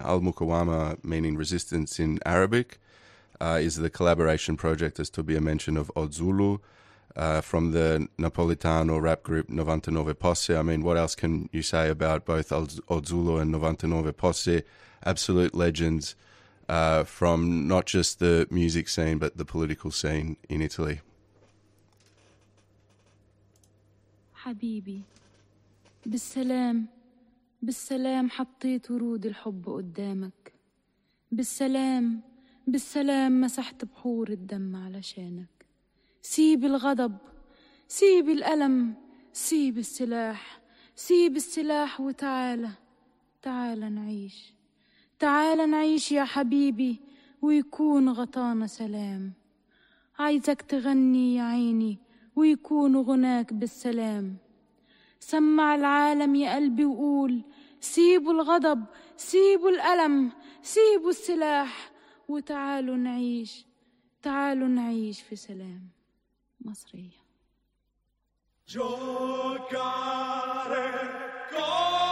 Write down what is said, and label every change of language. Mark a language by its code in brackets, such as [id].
[en] Al Mukawama, meaning resistance in Arabic, is the collaboration project, as Tobia mentioned, of Odd Zulu from the Napolitano rap group 99 Posse. I mean, what else can you say about both Odd Zulu and 99 Posse? Absolute legends from not just the music scene, but the political scene in Italy. [ar] Habibi, بالسلام, بالسلام حطيت ورود الحب قدامك. بالسلام, بالسلام مسحت بحور الدم علشانك. سيب الغضب, سيب الألم, سيب السلاح, سيب السلاح وتعالى, تعالى نعيش, تعالى نعيش يا حبيبي ويكون غطانا سلام. عايزك تغني يا عيني ويكونوا غناك بالسلام. سمع العالم يا قلبي وقول سيبوا الغضب، سيبوا الألم، سيبوا السلاح، وتعالوا نعيش، تعالوا نعيش في سلام. مصرية. [it] Giocare con